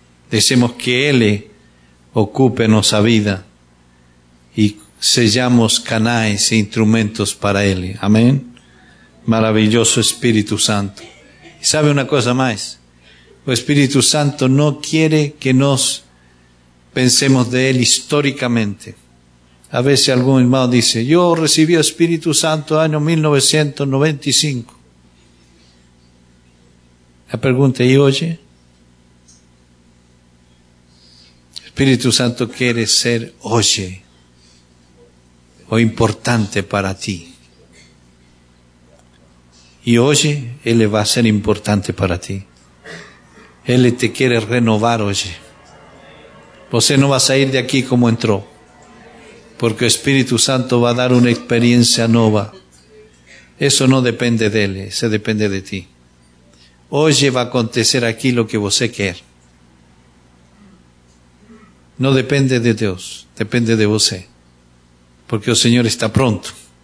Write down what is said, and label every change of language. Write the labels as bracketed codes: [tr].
[pt] Deixemos que Ele ocupe nossa vida e sejamos canais e instrumentos para Ele. Amém? Maravilhoso Espírito Santo. E sabe uma coisa mais? O Espírito Santo não quer que nós pensemos de Ele historicamente. [es] A veces algún hermano dice, yo recibí el Espíritu Santo año 1995. La pregunta, ¿y hoy? El Espíritu Santo quiere ser hoy o importante para ti. Y hoy Él va a ser importante para ti. Él te quiere renovar hoy. [pt] Você [es] no va a salir de aquí como entró. [pt] Porque o Espírito Santo vai dar uma experiência nova. Isso não depende dele, isso depende de ti. Hoje vai acontecer aquilo que você quer. Não depende de Deus, depende de você. Porque o Senhor está pronto.